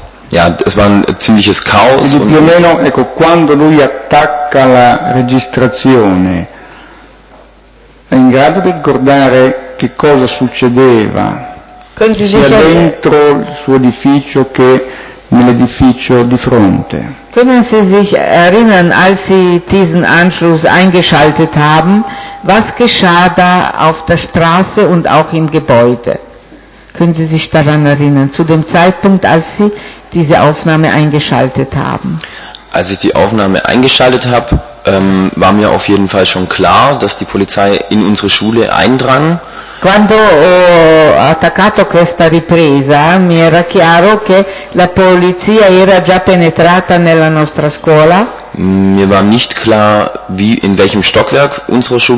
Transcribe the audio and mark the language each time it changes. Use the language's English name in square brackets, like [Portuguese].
[German] Ja, es war ein ziemliches Chaos. [Italian] Più o meno, ecco, quando lui attacca la registrazione, è in grado di ricordare che cosa succedeva sia dentro il suo edificio che nell'edificio di fronte. [German] Können Sie sich erinnern, als Sie diesen Anschluss eingeschaltet haben, was geschah da auf der Straße und auch im Gebäude? Können Sie sich daran erinnern, zu dem Zeitpunkt, als Sie diese Aufnahme eingeschaltet haben? Als ich die Aufnahme eingeschaltet habe, war mir auf jeden Fall schon klar, dass die Polizei in unsere Schule eindrang. [Italian] Quando ho attaccato questa ripresa, mi era chiaro che la polizia era già penetrata nella nostra scuola. [German] Mir war nicht klar, wie in welchem Stockwerk unsere Schule